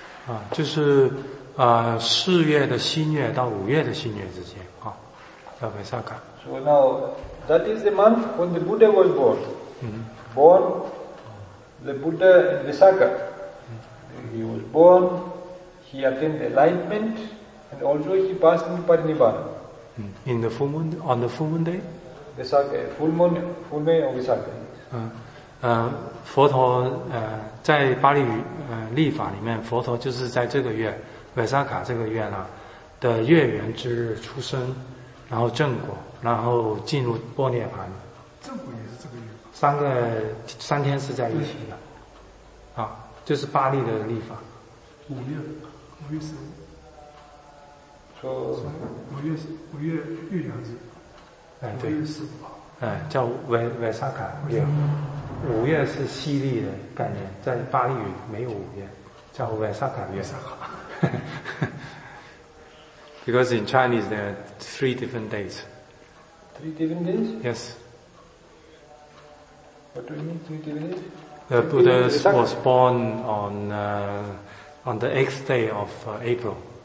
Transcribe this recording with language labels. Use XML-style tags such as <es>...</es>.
<zh>啊，就是四月的新月到五月的新月之间啊，叫维萨卡。</zh> <en>So now that is the month when the Buddha was born. 嗯。 Born the Buddha in Vesaka. He was born. He attained enlightenment, and also he passed Parinibbana. In the full moon on the full moon day. Vesaka, full moon of Vesaka.</en> <zh>佛陀在巴利历法里面，佛陀就是在这个月 Vesaka 这个月呢的月圆之日出生，然后正果，然后进入波涅槃。正果也是这个月。三天是在一起的。啊，就是巴利的历法。五月是玉良日，五月十五号，叫维萨卡月。五月是西历的概念，在巴利语没有五月，叫维萨卡月。</zh> <en>Because in Chinese there are three different days. Three different days? Yes. What do you mean, three different days? The Buddha was born on the 8th day of April.</en>